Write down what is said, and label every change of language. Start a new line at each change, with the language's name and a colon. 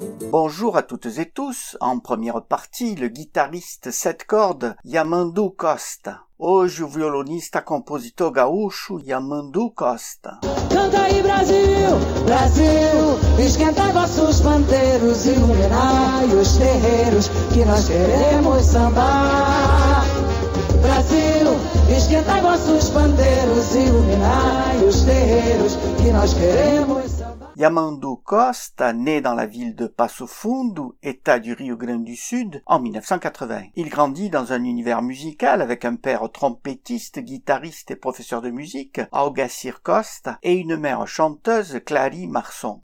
French: Bonjour à toutes et tous. En première partie, le guitariste 7 cordes Yamandu Costa.
Portuguese: Hoje, o violonista compositor gaúcho Yamandu Costa. Canta aí, Brasil, Brasil, esquenta vossos panteiros, iluminai os terreiros que nós queremos sambar. Brasil, esquenta vossos panteiros, iluminai os terreiros que nós queremos.
French: Yamandu Costa, né dans la ville de Passo Fundo, état du Rio Grande du Sud, en 1980. Il grandit dans un univers musical avec un père trompettiste, guitariste et professeur de musique, Augacir Costa, et une mère chanteuse, Clary Marçon.